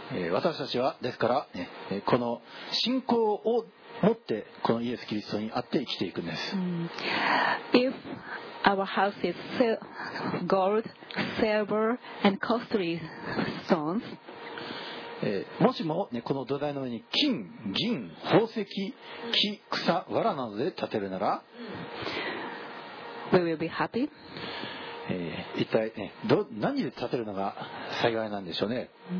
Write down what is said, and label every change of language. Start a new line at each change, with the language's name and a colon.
Japanese: 私たちはですから、ね、この信仰を持ってこのイエス・キリストにあって生きていくんです。
English: If our house is gold, silver, and costly stones,
Japanese: もしも、ね、この土台の上に金、銀、宝石、木、草、藁などで建てるなら、
English: We will be happy.
Japanese: 一体、ね、何で建てるのが幸いなんでしょうね。